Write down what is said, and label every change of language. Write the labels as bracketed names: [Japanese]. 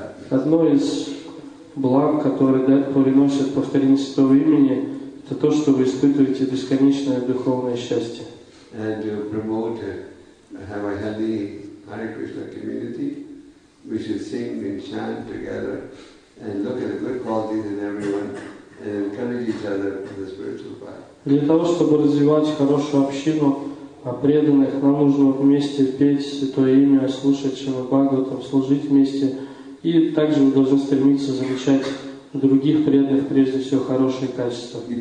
[Russian] Одно из благ, которые приносят повторение святого имени, это то, что вы испытываете бесконечное духовное счастье. [English] And to promote, have a healthy Hare Krishna community, we should sing and chant together and look at the good qualities in everyone and encourage each other in the spiritual path. [Russian] Для того, чтобы развивать хорошую общину преданных, нам нужно вместе петь Святое Имя, слушать Шримад-Бхагаватам, служить вместе. И также мы должны стремиться замечать других преданных, прежде всего, хорошие качества.